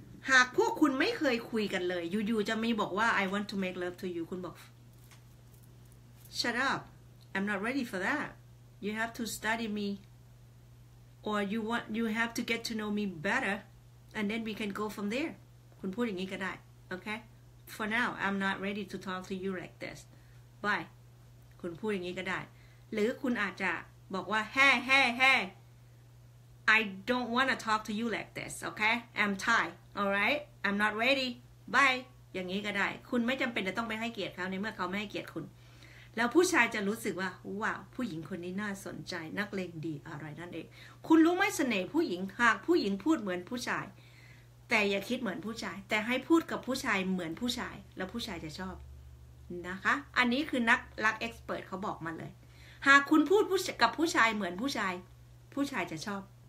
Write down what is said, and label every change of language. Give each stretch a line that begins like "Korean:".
Thai: หากพวกคุณไม่เคยคุยกันเลยอยู่ๆจะมีบอกว่า
English: I want to make love to you
Thai: คุณบอก
English: Shut up I'm not ready for that You have to study me or you have to get to know me better and then we can go from there
Thai: คุณพูดอย่างนี้ก็ได้
English: Okay, for now I'm not ready to talk to you like this. Bye.
Thai: คุณพูดอย่างนี้ก็ได้หรือคุณอาจจะบอกว่า Hey.
English: I don't want to talk to you like this. Okay, I'm tired. All right, I'm not ready. Bye.
Thai: อย่างนี้ก็ได้คุณไม่จำเป็นจะต้องไปให้เกียรติเขาในเมื่อเขาไม่ให้เกียรติคุณแล้วผู้ชายจะรู้สึกว่าว้าวผู้หญิงคนนี้น่าสนใจนักเลงดีอะไรนั่นเองคุณรู้ไหมเสน่ห์ผู้หญิงหากผู้หญิงพูดเหมือนผู้ชายแต่อย่าคิดเหมือนผู้ชายแต่ให้พูดกับผู้ชายเหมือนผู้ชายแล้วผู้ชายจะชอบนะคะอันนี้คือนักรักเอ็กซ์เพิร์ทเขาบอกมาเลยหากคุณพูดกับผู้ชายเหมือนผู้ชายผู้ชายจะชอบ